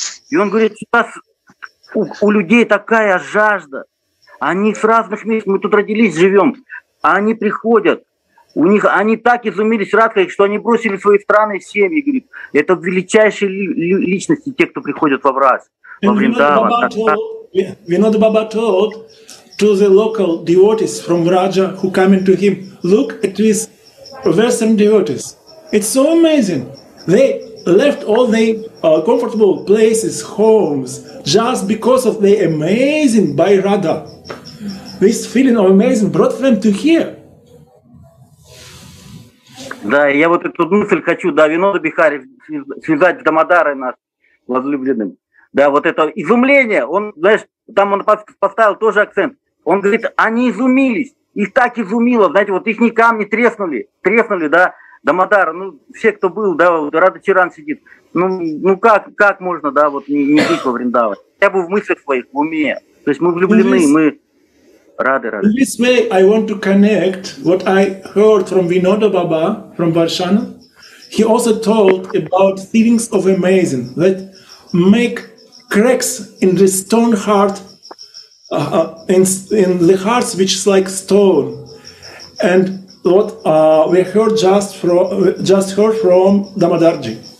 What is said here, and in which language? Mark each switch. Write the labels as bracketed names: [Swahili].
[Russian] И он говорит, сейчас у людей такая жажда, они с разных мест, мы тут родились, живем, а они приходят, у них, они так изумились, Радха, что они бросили свои страны и семьи, говорит, это величайшие личности, те, кто приходят во Враж, во Вриндаван. [English] Винод Баба told to the local devotees from Vraja who come to him, look at these Western devotees. It's so amazing. They left all their comfortable places, homes, just because of the amazing by Radha. This feeling of amazing brought them to here. [Russian] Да, я вот эту мысль хочу, да, Винода Бихари связать с Дамодарой нас возлюбленным. Да, вот это изумление, он, знаешь, там он поставил тоже акцент. Он говорит, они изумились, их так изумило, знаете, вот их камни треснули, да, Дамодара, ну, все, кто был, да, вот Рада Чиран сидит, ну как можно, да, вот не жить во Вриндаване? Я бы в мыслях своих, в уме, то есть мы влюблены, мы рады. [English] In this way I want to connect what I heard from Vinoda Baba, from Varshana. He also told about feelings of amazing that make cracks in the stone heart, in the hearts which is like stone, and what we heard just heard from Damodarji.